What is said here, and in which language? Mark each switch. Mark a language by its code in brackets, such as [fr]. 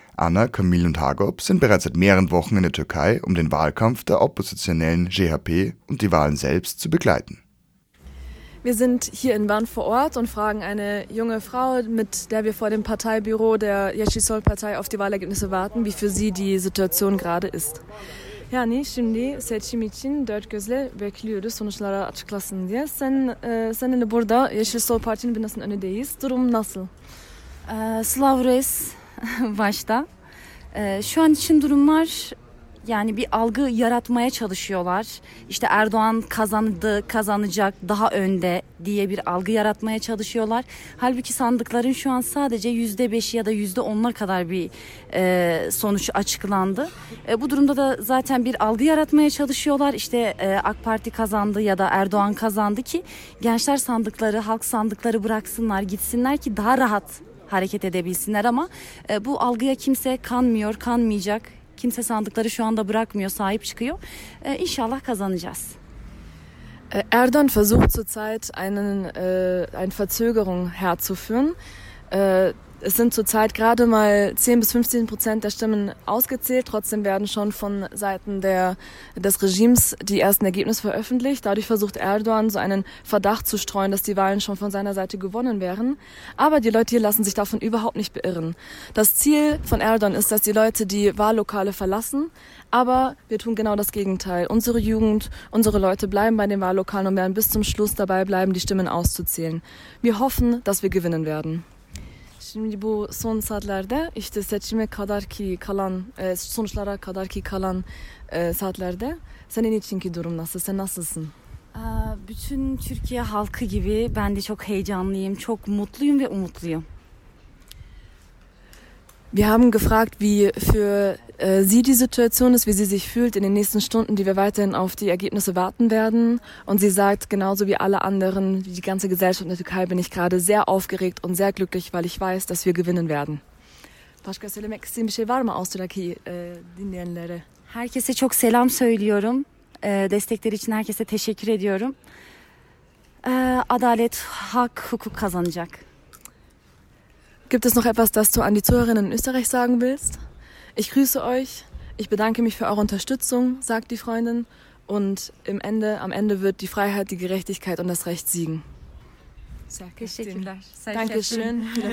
[de] Anna, Kamil und Hagop sind bereits seit mehreren Wochen in der Türkei, um den Wahlkampf der oppositionellen JHP und die Wahlen selbst zu begleiten. Wir sind hier in Bern vor Ort und fragen eine junge Frau, mit der wir vor dem Parteibüro der Yeşilsol-Partei auf die Wahlergebnisse warten, wie für sie die Situation gerade ist. [tr] Yani şimdi seçim için dört gözle bekliyoruz sonuçları açıklasın diye. Seninle burada Yeşil Sol Parti'nin binasının önündeyiz. Durum nasıl? Slav Res başta. Şu an için durumlar yani bir algı yaratmaya çalışıyorlar. İşte Erdoğan kazandı, kazanacak, daha önde, diye bir algı yaratmaya çalışıyorlar. Halbuki sandıkların şu an sadece %5 ya da %10'a kadar bir sonuç açıklandı. Bu durumda da zaten bir algı yaratmaya çalışıyorlar. İşte AK Parti kazandı ya da Erdoğan kazandı ki gençler sandıkları, halk sandıkları bıraksınlar, gitsinler ki daha rahat hareket edebilsinler. Ama bu algıya kimse kanmıyor, kanmayacak. Kimse sandıkları şu anda bırakmıyor, sahip çıkıyor. İnşallah kazanacağız. [de] Erdoğan versucht zurzeit eine Verzögerung herzuführen. Es sind zurzeit gerade mal 10-15% der Stimmen ausgezählt. Trotzdem werden schon von Seiten des Regimes die ersten Ergebnisse veröffentlicht. Dadurch versucht Erdoğan so einen Verdacht zu streuen, dass die Wahlen schon von seiner Seite gewonnen wären. Aber die Leute hier lassen sich davon überhaupt nicht beirren. Das Ziel von Erdoğan ist, dass die Leute die Wahllokale verlassen. Aber wir tun genau das Gegenteil. Unsere Jugend, unsere Leute bleiben bei den Wahllokalen und werden bis zum Schluss dabei bleiben, die Stimmen auszuzählen. Wir hoffen, dass wir gewinnen werden. [tr] Şimdi bu son saatlerde işte seçime kadar ki kalan sonuçlara kadar ki kalan saatlerde senin içinki durum nasıl? Sen nasılsın? Bütün Türkiye halkı gibi ben de çok heyecanlıyım, çok mutluyum ve umutluyum. [de] Wir haben gefragt, wie für Sie die Situation ist, wie sie sich fühlt in den nächsten Stunden, die wir weiterhin auf die Ergebnisse warten werden. Und sie sagt, genauso wie alle anderen, wie die ganze Gesellschaft in der Türkei, bin ich gerade sehr aufgeregt und sehr glücklich, weil ich weiß, dass wir gewinnen werden. [tr] Başka söylemek istediğim bir şey var mı Avusturya'daki dinleyenlere? Herkese çok selam söylüyorum. Destekleri için herkese teşekkür ediyorum. Adalet, hak, hukuk kazanacak. [de] Gibt es noch etwas, das du an die Zuhörerinnen in Österreich sagen willst? Ich grüße euch, ich bedanke mich für eure Unterstützung, sagt die Freundin. Und am Ende wird die Freiheit, die Gerechtigkeit und das Recht siegen. Danke schön.